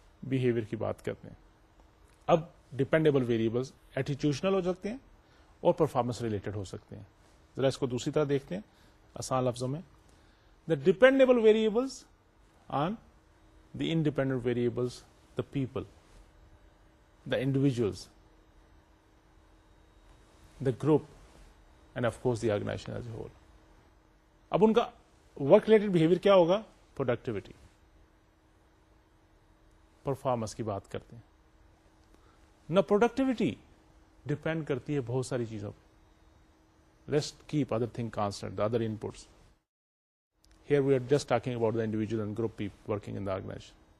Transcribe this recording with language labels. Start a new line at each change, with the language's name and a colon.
Urdu: Behaviour کی بات کرتے ہیں. اب
English: dependable variables attitudinal
Urdu: ہو سکتے ہیں اور پرفارمنس ریلیٹڈ ہو سکتے ہیں. ذرا اس کو دوسری طرح دیکھتے ہیں آسان لفظوں میں.
English: The dependable variables on the independent variables the people the individuals the group and of course the organization as a whole.
Urdu: اب ان کا ورک ریلیٹڈ بہیویئر کیا ہوگا؟ پروڈکٹیویٹی, پرفارمنس کی بات کرتے ہیں. نہ پروڈکٹیویٹی ڈیپینڈ کرتی ہے بہت ساری چیزوں پہ.
English: Let's keep other thing constant, the other inputs. Here we are just talking about the individual and group people working in the organization.